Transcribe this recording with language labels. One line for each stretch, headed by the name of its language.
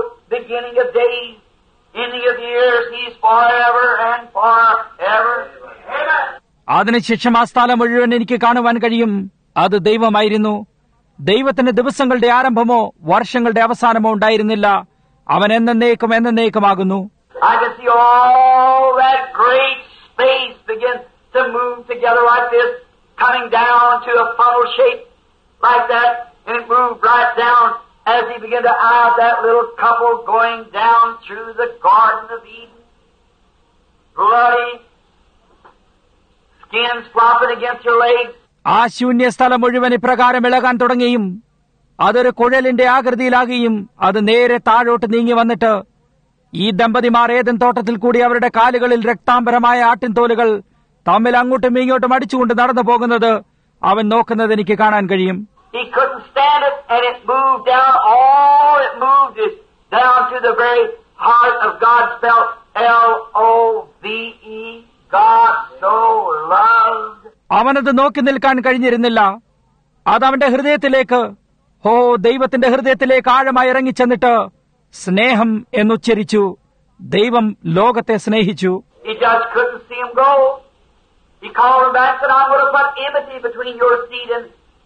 English: Beginning of days, ending of years, he's forever and forever.
Malayalam: അതിനു ശേഷം ആ സ്ഥലം മുഴുവൻ എനിക്ക് കാണുവാൻ കഴിയും. അത് ദൈവമായിരുന്നു. ദൈവത്തിന് ദിവസങ്ങളുടെ ആരംഭമോ വർഷങ്ങളുടെ അവസാനമോ ഉണ്ടായിരുന്നില്ല. അവൻ എന്നേക്കും എന്നേക്കുമാകുന്നു.
English: I can see all that great space begin to move together like this, coming down to a funnel shape like that, and it moved right down. As he began to eye that little couple going down through the Garden of Eden, bloody skins flopping against your legs.
Malayalam: ആ ശൂന്യസ്ഥലം മുഴുവൻ ഇപ്രകാരം ഇളകാൻ തുടങ്ങിയും അതൊരു കുഴലിന്റെ ആകൃതിയിലാകുകയും അത് നേരെ താഴോട്ട് നീങ്ങി വന്നിട്ട് ഈ ദമ്പതിമാർ ഏദൻ തോട്ടത്തിൽ കൂടി അവരുടെ കാലുകളിൽ രക്താംബരമായ ആട്ടിൻ തോലുകൾ തമ്മിൽ അങ്ങോട്ടും ഇങ്ങോട്ടും അടിച്ചുകൊണ്ട് നടന്നു പോകുന്നത് അവൻ നോക്കുന്നത് എനിക്ക് കാണാൻ കഴിയും.
English: He couldn't stand it, and it moved down. Oh, it moved it down to the very heart of God. Spelled love. God so loved.
Malayalam: അവനത് നോക്കി നിൽക്കാൻ കഴിഞ്ഞിരുന്നില്ല. അതവന്റെ ഹൃദയത്തിലേക്ക്, ഹോ ദൈവത്തിന്റെ ഹൃദയത്തിലേക്ക് ആഴമായി ഇറങ്ങിച്ചെന്നിട്ട് സ്നേഹം എന്നുച്ചരിച്ചു. ദൈവം ലോകത്തെ സ്നേഹിച്ചു.
English: He just couldn't see him go. He called him back, said, "I'm going to put enmity between your seed and."